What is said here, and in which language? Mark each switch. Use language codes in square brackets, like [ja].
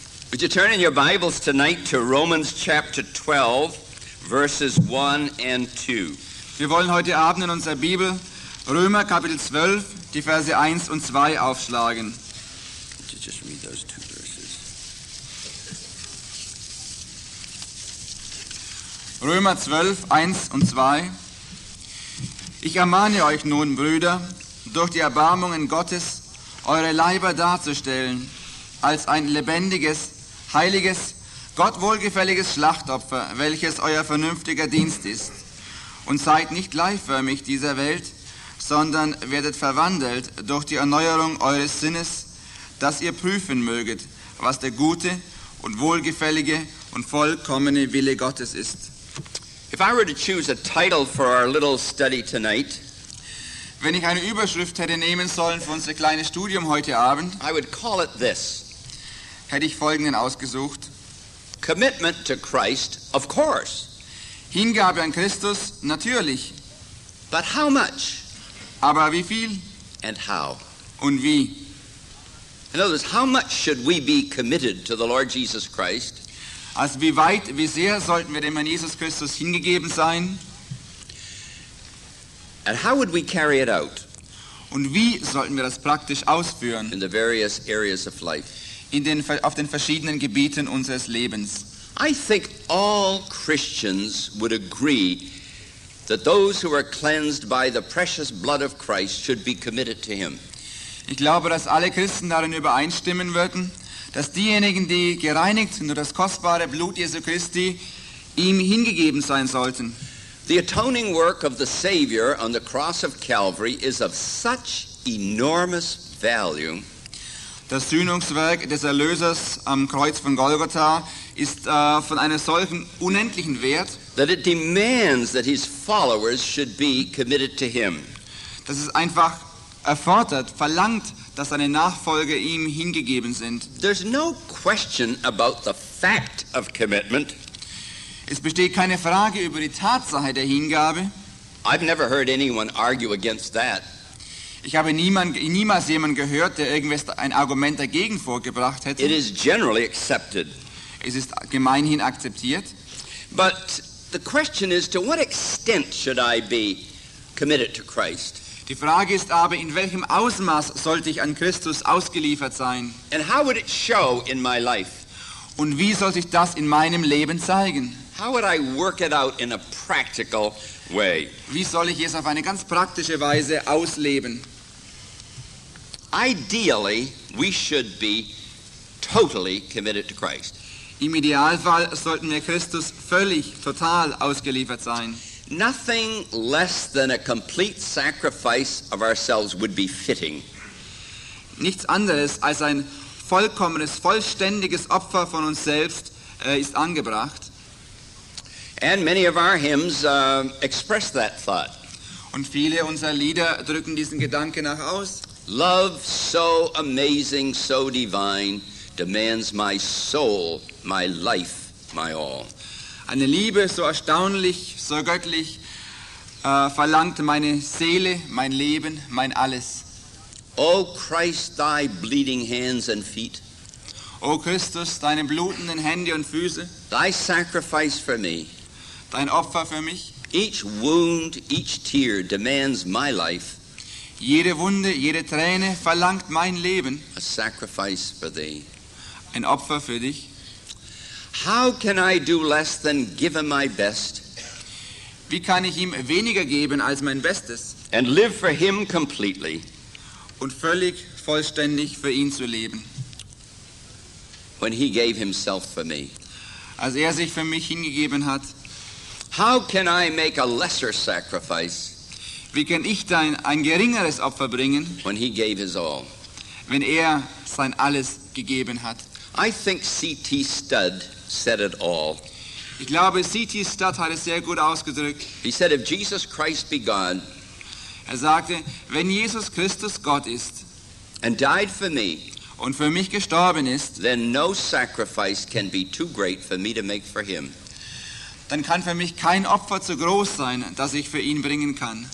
[en] Would you turn in your Bibles tonight to Romans chapter 12, verses 1 and 2? [de] Wir wollen heute Abend in unserer Bibel Römer Kapitel 12, die Verse 1 und 2 aufschlagen. [en] Would you just read those two verses? [de] Römer 12, 1 und 2. Ich ermahne euch nun, Brüder, durch die Erbarmungen Gottes eure Leiber darzustellen als ein lebendiges, heiliges, Gott wohlgefälliges Schlachtopfer, welches euer vernünftiger Dienst ist. Und seid nicht gleichförmig dieser Welt, sondern werdet verwandelt durch die Erneuerung eures Sinnes, dass ihr prüfen möget, was der gute und wohlgefällige und vollkommene Wille Gottes ist. [en] If I were to choose a title for our little study tonight, [de] wenn ich eine Überschrift hätte nehmen sollen für unser kleines Studium heute Abend, [en] I would call it this. [de] Hätte ich folgenden ausgesucht. [en] Commitment to Christ, of course. [de] Hingabe an Christus, natürlich. [en] But how much? [de] Aber wie viel? [en] And how? [de] Und wie? [en] In other words, how much should we be committed to the Lord Jesus Christ? [de] Also wie weit, wie sehr sollten wir dem Herrn Jesus Christus hingegeben sein? [en] And how would we carry it out? [de] Und wie sollten wir das praktisch ausführen? [en] In the various areas of life. [de] In den, auf den verschiedenen Gebieten unseres Lebens. [en] I think all Christians would agree that those who are cleansed by the precious blood of Christ should be committed to him. [de] Ich glaube, dass alle Christen darin übereinstimmen würden, dass diejenigen, die gereinigt sind durch das kostbare Blut Jesu Christi, ihm hingegeben sein sollten. [en] The atoning work of the Savior on the cross of Calvary is of such enormous value. [de] Das Sühnungswerk des Erlösers am Kreuz von Golgatha ist von einem solchen unendlichen Wert, [en] that it demands that his followers should be committed to him. [de] Dass es einfach erfordert, verlangt, dass seine Nachfolger ihm hingegeben sind. [en] There's no question about the fact of commitment. [de] Es besteht keine Frage über die Tatsache der Hingabe. [en] I've never heard anyone argue against that. [de] Ich habe niemals jemanden gehört, der irgendwas ein Argument dagegen vorgebracht hätte. [en] It is generally accepted. [de] Es ist gemeinhin akzeptiert. [en] But the question is, to what extent should I be committed to Christ? [de] Die Frage ist aber, in welchem Ausmaß sollte ich an Christus ausgeliefert sein? [en] And how would it show in my life? [de] Und wie soll sich das in meinem Leben zeigen? [en] How would I work it out in a practical way? [de] Wie soll ich es auf eine ganz praktische Weise ausleben? [en] Ideally, we should be totally committed to Christ. [de] Im Idealfall sollten wir Christus völlig, total ausgeliefert sein. [en] Nothing less than a complete sacrifice of ourselves would be fitting. [de] Nichts anderes als ein vollkommenes, vollständiges Opfer von uns selbst ist angebracht. [en] And many of our hymns express that thought. [de] Und viele unserer Lieder drücken diesen Gedanken nach aus. [en] Love so amazing, so divine, demands my soul, my life, my all. [de] Eine Liebe so erstaunlich, so göttlich, verlangt meine Seele, mein Leben, mein Alles. [en] O Christ, thy bleeding hands and feet. [de] O Christus, deine blutenden Hände und Füße. [en] Thy sacrifice for me. [de] Dein Opfer für mich. [en] Each wound, each tear demands my life. [de] Jede Wunde, jede Träne verlangt mein Leben. [en] A sacrifice for thee. [de] Ein Opfer für dich. [en] How can I do less than give him my best? [de] Wie kann ich ihm weniger geben als mein Bestes? [en] And live for him completely. [de] Und völlig vollständig für ihn zu leben. [en] When he gave himself for me. [de] Als er sich für mich hingegeben hat. [en] How can I make a lesser sacrifice? [de] Wie kann ich dann ein geringeres Opfer bringen? [en] When he gave his all. [de] Wenn er sein Alles gegeben hat. [en] I think C.T. Studd said it all. [de] Ich glaube, C.T. Studd hat es sehr gut ausgedrückt. [en] He said, if Jesus Christ be God. [de] Er sagte, wenn Jesus Christus Gott ist. [en] And died for me. [de] Und für mich gestorben ist. [en] Then no sacrifice can be too great for me to make for him. [de] Dann kann für mich kein Opfer zu groß sein, das ich für ihn bringen kann.